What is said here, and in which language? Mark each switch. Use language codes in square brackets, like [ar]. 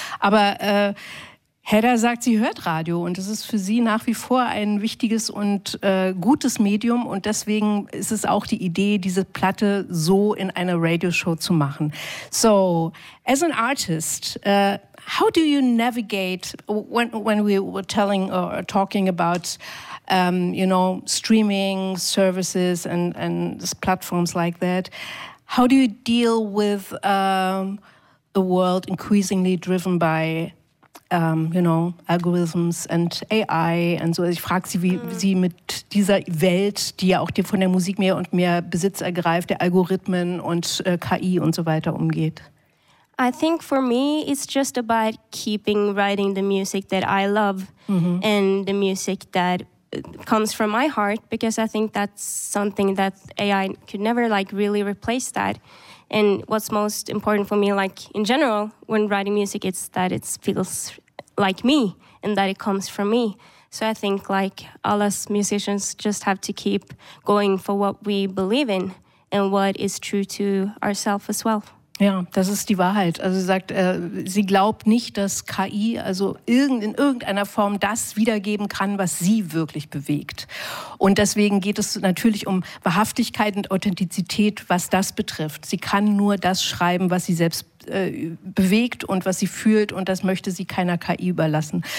[de] Aber Hedda sagt, sie hört Radio und es ist für sie nach wie vor ein wichtiges und gutes Medium, und deswegen ist es auch die Idee, diese Platte so in eine Radioshow zu machen. [en] So, as an artist, how do you navigate when we were telling or talking about, you know, streaming services and platforms like that? How do you deal with a world increasingly driven by, you know, algorithms and AI and so? [de] Ich frage sie, wie sie mit dieser Welt, die ja auch von der Musik mehr und mehr Besitz ergreift, der Algorithmen und KI und so weiter umgeht. [en] I think for me, it's just about keeping writing the music that I love, mm-hmm. and the music that comes from my heart, because I think that's something that AI could never like really replace that. And what's most important for me, like in general, when writing music, it's that it feels like me and that it comes from me. So I think like all us musicians just have to keep going for what we believe in and what is true to ourselves as well. [de] Ja, das ist die Wahrheit. Also sie sagt, sie glaubt nicht, dass KI also in irgendeiner Form das wiedergeben kann, was sie wirklich bewegt. Und deswegen geht es natürlich um Wahrhaftigkeit und Authentizität, was das betrifft. Sie kann nur das schreiben, was sie selbst bewegt und was sie fühlt, und das möchte sie keiner KI überlassen.